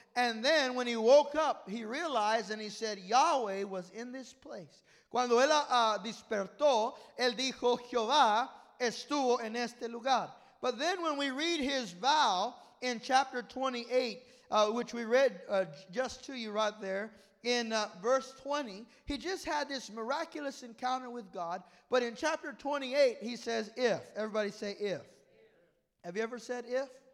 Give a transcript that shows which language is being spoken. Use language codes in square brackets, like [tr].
[en] And then when he woke up, he realized and he said, Yahweh was in this place. [es] Cuando él despertó, él dijo, Jehová estuvo en este lugar. [en] But then when we read his vow in chapter 28, which we read just to you right there, in verse 20, he just had this miraculous encounter with God. But in chapter 28, he says, if. Everybody say if. Have you ever said if?